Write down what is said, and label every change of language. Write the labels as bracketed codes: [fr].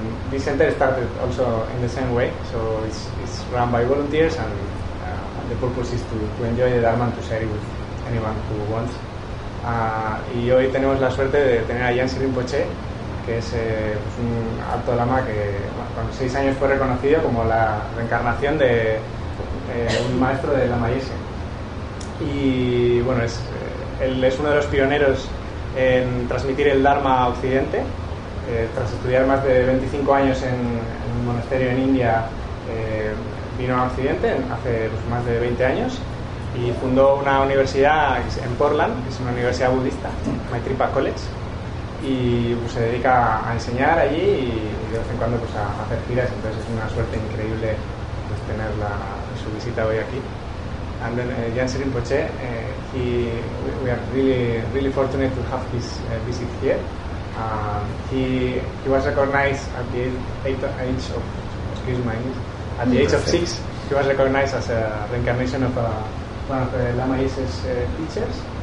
[en] This center started also in the same way, so it's run by volunteers and the purpose is to enjoy the Dharma and to share it with anyone who wants. [es] Y hoy tenemos la suerte de tener a Yanshi Rinpoche, que es pues un alto lama que con 6 años fue reconocido como la reencarnación de un maestro de Lama Yeshe. Y bueno, es él es uno de los pioneros en transmitir el Dharma a Occidente. Tras estudiar más de 25 años en un monasterio en India, vino a Occidente hace más de 20 años y fundó una universidad en Portland, que es una universidad budista, Maitripa College, y pues, se dedica a enseñar allí y de vez en cuando pues, a hacer giras. Entonces es una suerte increíble pues, tener su visita hoy aquí. [en] And then Jan Sirin Poche, we are really, really fortunate to have his visit here. He was recognized at the age of six. He was recognized as a reincarnation of one of the Lama Yeshe's teachers.